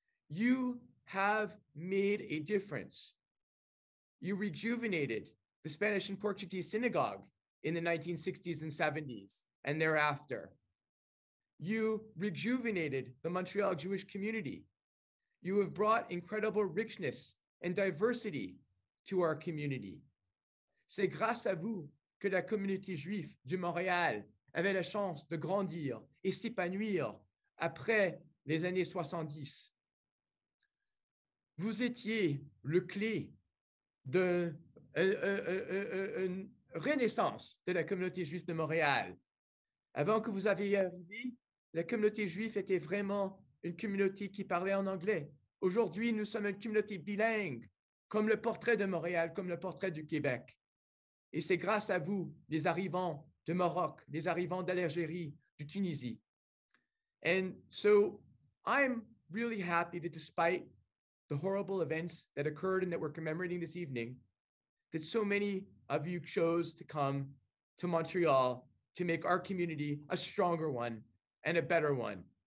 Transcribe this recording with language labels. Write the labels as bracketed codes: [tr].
[en] You have made a difference. You rejuvenated the Spanish and Portuguese synagogue in the 1960s and 70s and thereafter. You rejuvenated the Montreal Jewish community. You have brought incredible richness and diversity to our community. [fr] C'est grâce à vous que la communauté juive de Montréal avait la chance de grandir et s'épanouir après les années 70. Vous étiez le clé de une renaissance de la communauté juive de Montréal. Avant que vous ayez arrivé, la communauté juive était vraiment une communauté qui parlait en anglais. Aujourd'hui, nous sommes une communauté bilingue, comme le portrait de Montréal, comme le portrait du Québec. Et c'est grâce à vous, les arrivants de Maroc, les arrivants d'Algérie, de Tunisie. [en] And so I'm really happy that despite the horrible events that occurred and that we're commemorating this evening, that so many of you chose to come to Montreal to make our community a stronger one and a better one.